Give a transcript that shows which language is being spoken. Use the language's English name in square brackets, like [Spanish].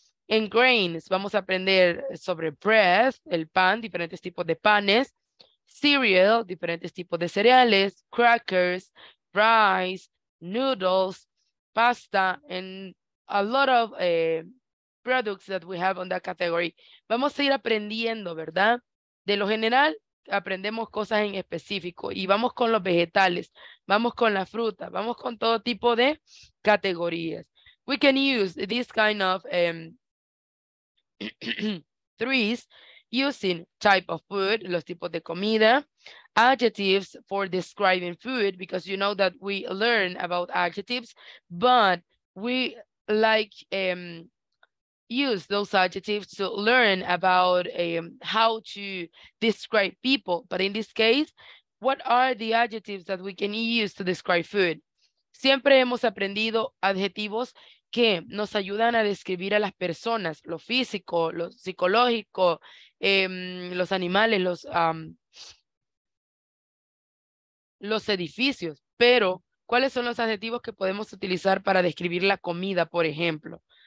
[English] En grains [Spanish] vamos a aprender sobre [English] bread, [Spanish] el pan, diferentes tipos de panes, [English] cereal, [Spanish] diferentes tipos de cereales, [English] crackers, rice, noodles, pasta, and a lot of products that we have on that category. [Spanish] Vamos a ir aprendiendo, ¿verdad? De lo general, aprendemos cosas en específico y vamos con los vegetales, vamos con la fruta, vamos con todo tipo de categorías. [English] We can use this kind of trees using type of food, [Spanish] los tipos de comida, [English] adjectives for describing food, because you know that we learn about adjectives, but we like use those adjectives to learn about how to describe people. But in this case, what are the adjectives that we can use to describe food? [Spanish] Siempre hemos aprendido adjetivos que nos ayudan a describir a las personas, lo físico, lo psicológico, los animales, los edificios. Pero, ¿cuáles son los adjetivos que podemos utilizar para describir la comida, por ejemplo?